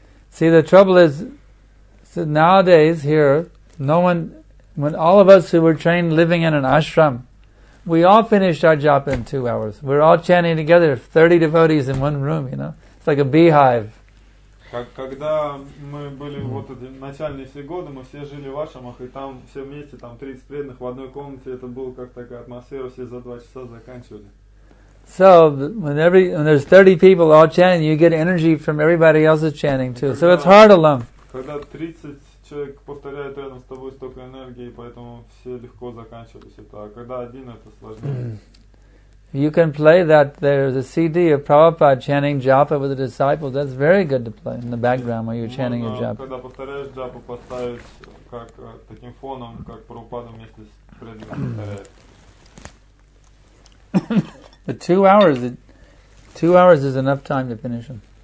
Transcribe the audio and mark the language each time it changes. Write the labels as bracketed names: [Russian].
[English] See, the trouble is, so nowadays here, when all of us who were trained living in an ashram, we all finished our japa in 2 hours. We're all chanting together, 30 devotees in one room, you know. It's like a beehive. [Russian] Когда мы были вот эти начальные все годы, мы все жили в ашрамах, и там все вместе, там 30 преданных в одной комнате, это было как такая атмосфера, все за 2 часа заканчивали. [English] So, when there's 30 people all chanting, you get energy from everybody else's chanting too. So it's hard alone. [Russian] Когда 30 человек повторяют рядом с тобой столько энергии, поэтому все легко заканчивались это, а когда один, это сложнее. [English] You can play that. There's a CD of Prabhupada chanting japa with the disciples. That's very good to play in the background while you're chanting your japa. [Russian] Когда повторяешь джапу, поставить как таким фоном, как Прабхупада вместе с преданными. [English] But 2 hours, 2 hours is enough time to finish them.